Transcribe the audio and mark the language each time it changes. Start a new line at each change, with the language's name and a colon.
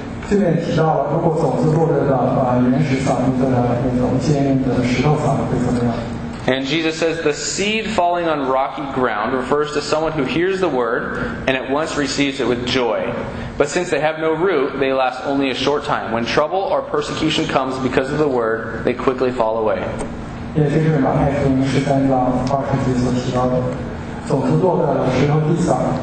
Chinese: 这边提到了，如果种子落在原始上，那种坚硬的石头上会怎么样？
English: And Jesus says the seed falling on rocky ground refers to someone who hears the word and at once receives it with joy. But since they have no root, they last only a short time. When trouble or persecution comes because of the word, they quickly fall away.
Chinese: 也就是马太福音13章20节所提到的，种子落在石头地上。